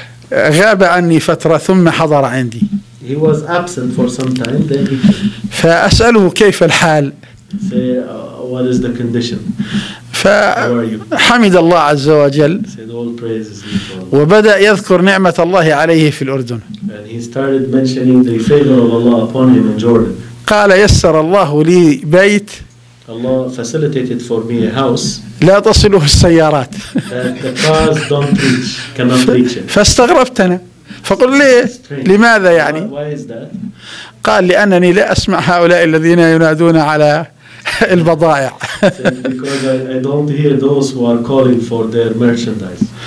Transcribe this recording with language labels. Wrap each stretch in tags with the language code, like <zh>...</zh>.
<ar>فغاب عني فترة ثم حضر عندي.</ar> <en>He was absent for some time. Then he came.</en> <ar>فأسأله كيف الحال.</ar> <en>Say, what is the condition?</en> <ar>فحمد الله عز وجل.</ar> <en>Said, all praise is to Allah.</en> <ar>وبدأ يذكر نعمة الله عليه في الأردن.</ar> <en>And he started mentioning the favor of Allah upon him in Jordan.</en> <ar>قال يسر الله لي بيت.</ar> <en>Allah facilitated for me a house.</en> <ar>لا تصله السيارات.</ar> <en>The cars don't reach, cannot reach it.</en> <ar>فاستغربت أنا. فقل ليه؟ لماذا يعني؟</ar> <en>why is that?</en> <ar>قال لأنني لا أسمع هؤلاء الذين ينادون على البضائع.</ar> <en>Because I don't hear those who are calling for their merchandise.</en>